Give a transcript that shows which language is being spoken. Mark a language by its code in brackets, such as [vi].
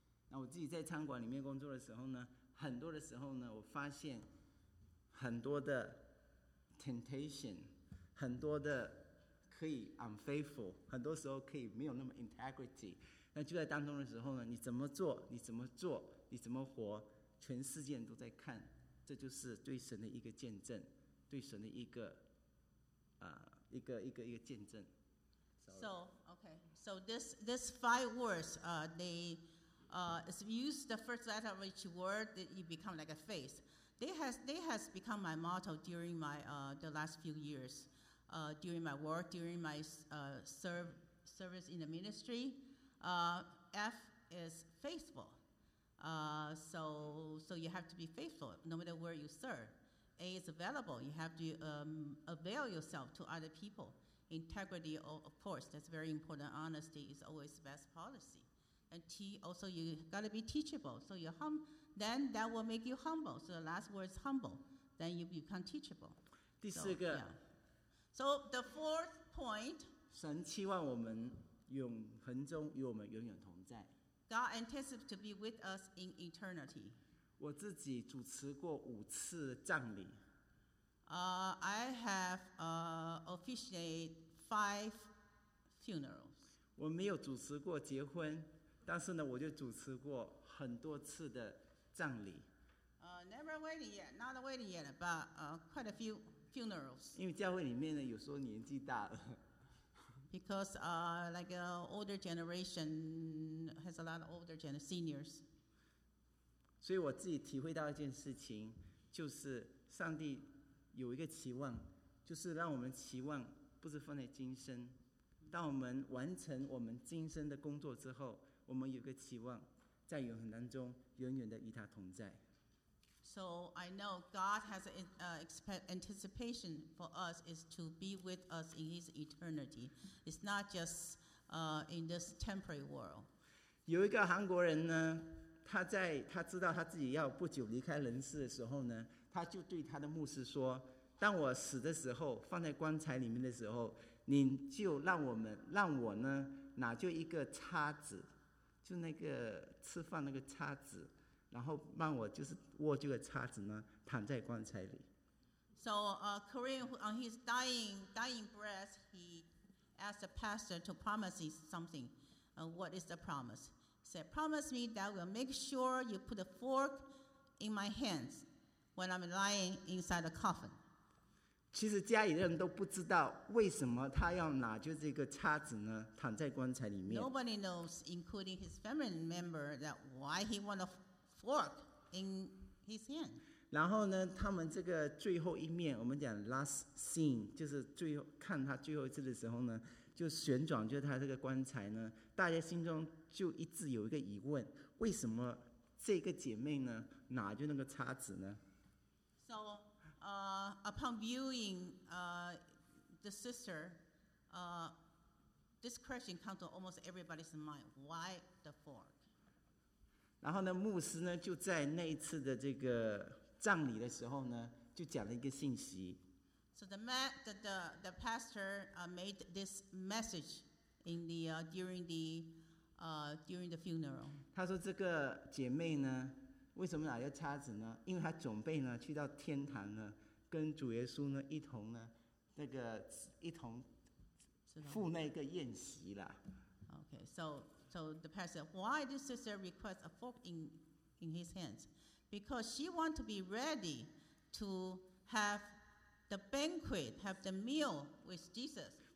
[zh] 那我自己在餐馆里面工作的时候呢，很多的时候呢，我发现很多的 temptation， 很多的可以 unfaithful， 很多时候可以没有那么 integrity。那就在当中的时候呢，你怎么做，你怎么做，你怎么活，全世界都在看，这就是对神的一个见证，对神的一个一个见证。 [en] So okay, so this five words it's used the first letter of each word that you become like a face. They has become my motto during my the last few years, during my work, during my service in the ministry. F is faithful. So you have to be faithful no matter where you serve. A is available. You have to avail yourself to other people. Integrity, of course, that's very important. Honesty is always best policy. And T, also you gotta be teachable. So you're then that will make you humble. So the last word is humble. Then you become teachable. [zh] 第四个。 [en] So the fourth point. [zh] 神期望我们永恒中与我们永远同在。 [en] God anticipates to be with us in eternity. [zh] 我自己主持过五次葬礼。 [en] I have officiated five funerals. [zh] 我没有主持过结婚。但是呢，我就主持过很多次的葬礼。 [en] Never wedding yet, not a wedding yet, but quite a few funerals. [zh] 因为教会里面呢，有时候年纪大了。 [en] Because like an older generation has a lot of older seniors. [zh] 所以我自己体会到一件事情，就是上帝有一个期望，就是让我们期望不是放在今生，当我们完成我们今生的工作之后。我们有个期望，在永恒当中，永远的与他同在。 [en] So I know God has an anticipation for us is to be with us in His eternity. It's not just in this temporary world. [zh] 有一个韩国人呢，他知道他自己要不久离开人世的时候呢，他就对他的牧师说：“当我死的时候，放在棺材里面的时候，你就让我呢，拿就一个叉子。” 就那个吃饭那个叉子，然后让我就是握这个叉子呢，躺在棺材里。 [en] So, Korean on his dying breath, he asked the pastor to promise him something. What is the promise? He said, "Promise me that we'll make sure you put a fork in my hands when I'm lying inside the coffin." [zh] 其实家里人都不知道为什么他要拿就这个叉子呢，躺在棺材里面。 [en] Nobody knows, including his family member, that why he want a fork in his hand. [zh] 然后呢，他们这个最后一面，我们讲 [en] last scene， [zh] 就是最后看他最后一次的时候呢，就旋转，就他这个棺材呢，大家心中就一直有一个疑问：为什么这个姐妹呢拿就那个叉子呢 [en] ？So. Upon viewing the sister, this question comes to almost everybody's mind. Why the fork? [zh] 然后呢，牧师呢就在那一次的这个葬礼的时候呢，就讲了一个信息。 [en] So the man, the pastor made this message in the during the funeral. [zh] 他说这个姐妹呢，为什么来要掐指呢？因为她准备呢去到天堂呢，跟主耶稣呢一同呢，那个一同赴那个宴席了。 [en] Okay, so the pastor said, why this sister requests a fork in his hands? Because she wants to be ready to have the banquet, have the meal with Jesus.